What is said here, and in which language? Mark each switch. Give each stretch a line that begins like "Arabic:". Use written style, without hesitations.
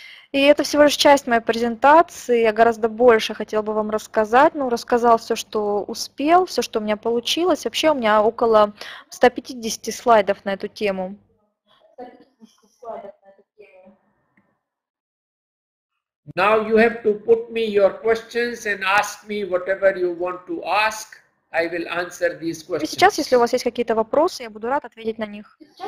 Russian: И это всего лишь часть моей презентации. Я гораздо больше хотел бы вам рассказать. Ну, рассказал все, что успел, все, что у меня получилось. Вообще у меня около 150 слайдов на эту тему.
English: Now you have to put me your questions and ask me whatever you want to ask. I will answer these questions.
Russian: И сейчас, если у вас есть какие-то вопросы, я буду рад ответить на них.